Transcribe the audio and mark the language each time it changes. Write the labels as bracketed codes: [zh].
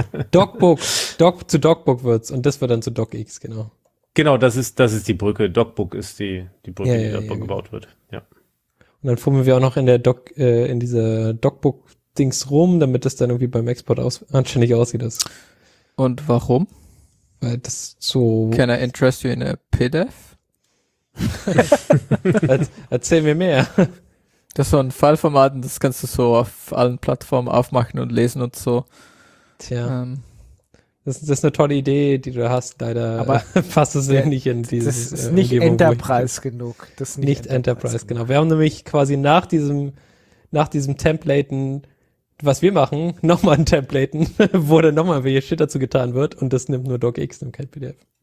[de] DocBook. Doc zu DocBook wird's. Und das wird dann zu DocX, genau. Genau, das ist die Brücke. DocBook ist die Brücke, die da gebaut wird. Ja. Und dann fummeln wir auch noch in der Doc, in dieser DocBook-Dings rum, damit das dann irgendwie beim Export anständig aussieht. Das. Und warum? Weil das so. [en] Can I interest you in a PDF? [de] Erzähl mir mehr. Das ist so ein File-Format, das kannst du so auf allen Plattformen aufmachen und lesen und so. Tja. Das ist eine tolle Idee, die du hast, leider. Aber fasst es nicht in dieses. Das ist nicht Umgebung, Enterprise genug. Das ist nicht Enterprise, genau. Wir haben nämlich quasi nach diesem Templaten, was wir machen, nochmal ein Templaten, wo dann nochmal welche Shit dazu getan wird und das nimmt nur DocX und kein PDF.